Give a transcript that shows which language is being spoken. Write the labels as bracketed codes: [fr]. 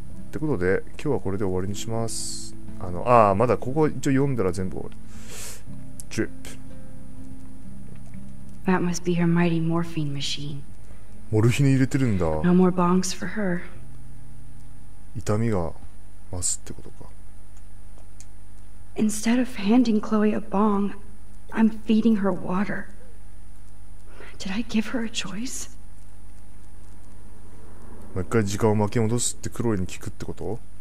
[ja] ってことで、今日はこれで終わりにします。まだここ一応読んだら全部終わる。 [en] Drip。 That must be her mighty morphine machine. [ja] モルヒネ入れてるんだ。 [en] No more bongs for her. [ja] 痛みが増すってことか。 [en] Instead of handing Chloe a bong, I'm feeding her water. Did I give her a choice? [ja] もう一回時間を巻き戻すってクロエに聞くってこと?